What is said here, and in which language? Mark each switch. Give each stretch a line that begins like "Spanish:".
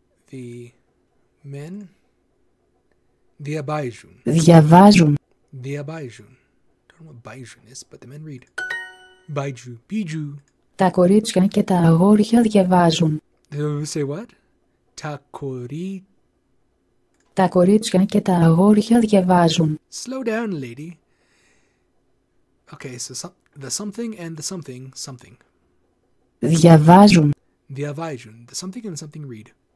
English: The men
Greek: διαβάζουν. Διαβάζουν. Διαβάζουν.
English: I don't know what baijun is, but the men read. Baiju, biju.
Greek: Τα κορίτσια και τα αγόρια διαβάζουν.
English: Say what?
Greek: Τα κορίτσια. Τα κορίτσια και τα αγόρια διαβάζουν.
English: Slow down, lady. Okay, so the something and the something, something.
Greek: Διαβάζουν. Διαβάζουν.
English: The something and something read.